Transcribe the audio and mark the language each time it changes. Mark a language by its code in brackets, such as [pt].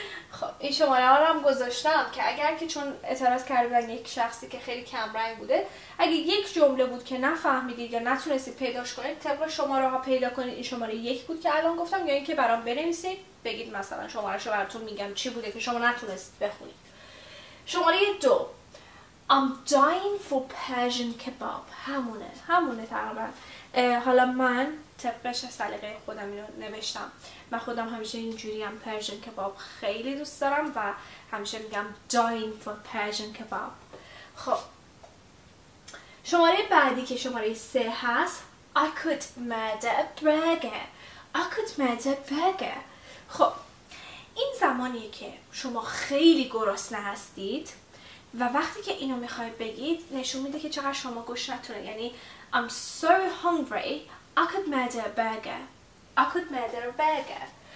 [fa] خب این شماره ها رو هم گذاشتم که اگر که چون اعتراض کردن یک شخصی که خیلی کمرنگ بوده، اگه یک جمله بود که نفهمیدید یا نتونستید پیداش کنید، طبق شماره ها پیدا کنید این شماره یک بود که الان گفتم، یا این که برام بنویسید بگید مثلا شماره شو براتون میگم چی بوده که شما نتونستید بخونید. شماره دو [en] I'm dying for Persian kebab. [fa] همونه تقریبا. حالا من طبقش سلیقه خودم اینو نوشتم، من خودم همیشه اینجوری هم Persian kebab خیلی دوست دارم و همیشه میگم [en] dying for Persian kebab. [fa] خب شماره بعدی که شماره سه هست [en] I could murder a burger. I could murder a burger. [fa] خب این زمانیه که شما خیلی گرسنه هستید و وقتی که اینو میخوای بگید نشون میده که چقدر شما گشنه‌تونه، یعنی [en] I'm so hungry I could murder a burger. [fa] I could murder a burger.